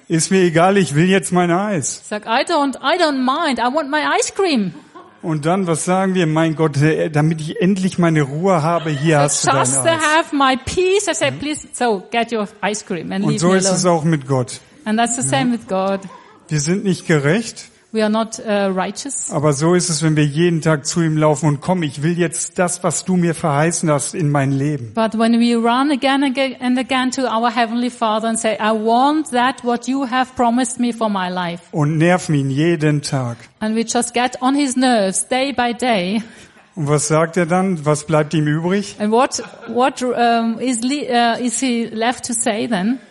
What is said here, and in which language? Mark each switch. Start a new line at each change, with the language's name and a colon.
German: Ist mir egal, ich will jetzt mein Eis. Sag,
English: I don't mind, I want my ice cream.
German: Und dann, was sagen wir? Mein Gott, damit ich endlich meine Ruhe habe, hier hast du dein Eis.
English: Just to have my peace, I say, please, so get your ice cream and leave me
German: Und so ist es auch mit Gott.
English: And that's the same with God.
German: Wir sind nicht gerecht.
English: We are not righteous.
German: Aber so ist es, wenn wir jeden Tag zu ihm laufen und komm, ich will jetzt das, was du mir verheißen hast, in mein Leben.
English: But when we run again and again to our heavenly Father and say, I want that what you have promised me for my life.
German: Und nerven ihn jeden Tag.
English: And we just get on his nerves day by day.
German: Und was sagt er dann? Was bleibt ihm übrig?
English: And what is he left to say then?